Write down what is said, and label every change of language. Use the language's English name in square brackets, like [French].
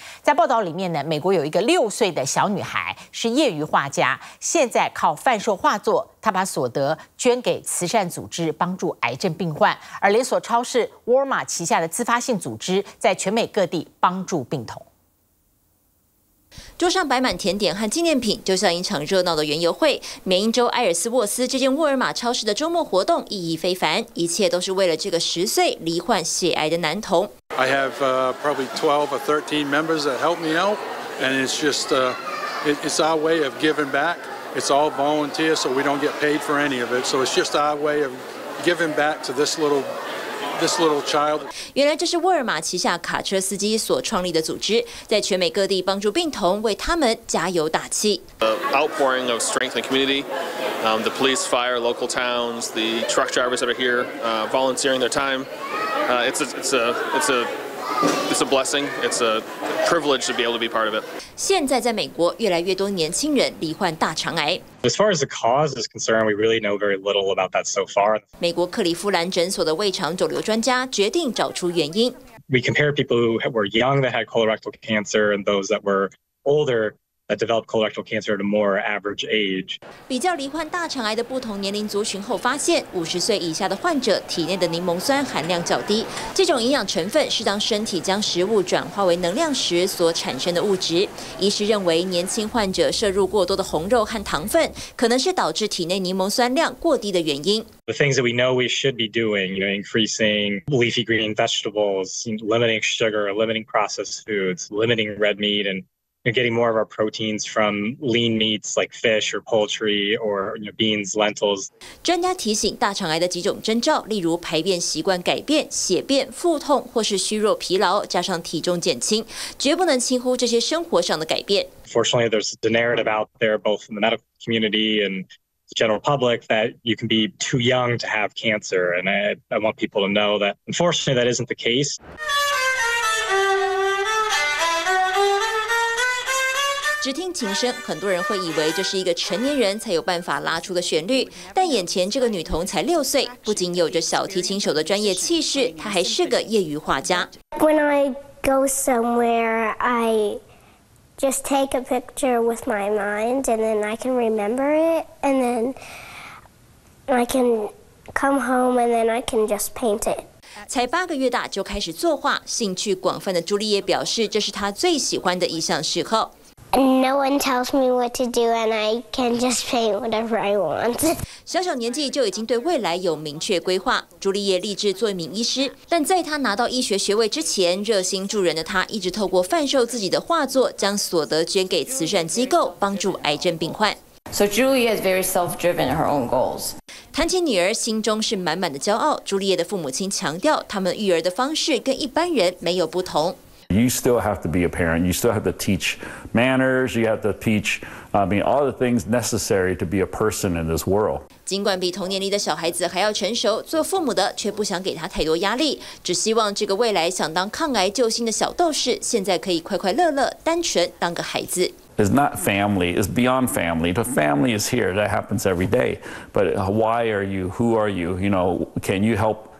[Chinese] 在报道里面呢，美国有一个6岁的小女孩是业余画家，现在靠贩售画作，她把所得捐给慈善组织帮助癌症病患，而连锁超市沃尔玛旗下的自发性组织在全美各地帮助病童。桌上摆满甜点和纪念品，就像一场热闹的园游会。缅因州埃尔斯沃斯这间沃尔玛超市的周末活动意义非凡，一切都是为了这个十岁罹患血癌的男童。 [English] I have probably 12 or 13 members that help me out, and it's just it's our way of giving back. It's all volunteer, so we don't get paid for any of it. So it's just our way of giving back to this little child. [Chinese] 原来这是沃尔玛旗下卡车司机所创立的组织，在全美各地帮助病童，为他们加油打气。 [English] Outpouring of strength in the community, the police, fire, local towns, the truck drivers that are here, volunteering their time. It's a blessing. It's a privilege to be able to be part of it. [Chinese] 现在在美国，越来越多年轻人罹患大肠癌。 [English] As far as the cause is concerned, we really know very little about that so far. [Chinese] 美国克利夫兰诊所的胃肠肿瘤专家决定找出原因。 [English] We compare people who were young that had colorectal cancer and those that were older. That developed colorectal cancer at a more average age. [Chinese] 比较罹患大肠癌的不同年龄族群后发现，五十岁以下的患者体内的柠檬酸含量较低。这种营养成分是当身体将食物转化为能量时所产生的物质。医师认为，年轻患者摄入过多的红肉和糖分，可能是导致体内柠檬酸量过低的原因。 [English] The things that we know we should be doing, you know, increasing leafy green vegetables, limiting sugar, limiting processed foods, limiting red meat, and getting more of our proteins from lean meats like fish or poultry or beans, lentils. [Chinese] 专家提醒，大肠癌的几种征兆，例如排便习惯改变、血便、腹痛或是虚弱疲劳，加上体重减轻，绝不能轻忽这些生活上的改变。 [English] Fortunately, there's the narrative out there, both in the medical community and the general public, that you can be too young to have cancer. And I want people to know that, unfortunately, that isn't the case. [Chinese] 只听琴声，很多人会以为这是一个成年人才有办法拉出的旋律，但眼前这个女童才六岁，不仅有着小提琴手的专业气势，她还是个业余画家。 [English] When I go somewhere, I just take a picture with my mind, and then I can remember it, and then I can come home, and then I can just paint it. [Chinese] 才八个月大就开始作画，兴趣广泛的朱丽叶表示，这是她最喜欢的一项嗜好。 [English] No one tells me what to do, and I can just paint whatever I want. [Chinese] 小小年纪就已经对未来有明确规划。朱丽叶立志做一名医师，但在她拿到医学学位之前，热心助人的她一直透过贩售自己的画作，将所得捐给慈善机构，帮助癌症病患。 [English] So Julia is very self-driven in her own goals. [Chinese] 谈起女儿，心中是满满的骄傲。朱丽叶的父母亲强调，他们育儿的方式跟一般人没有不同。 [English] You still have to be a parent. You still have to teach manners. You have to teach, all the things necessary to be a person in this world. [Chinese] 尽管比同年龄的小孩子还要成熟，做父母的却不想给他太多压力，只希望这个未来想当抗癌救星的小斗士，现在可以快快乐乐、单纯当个孩子。 [English] It's not family. It's beyond family. The family is here. That happens every day. But why are you? Who are you? You know, can you help?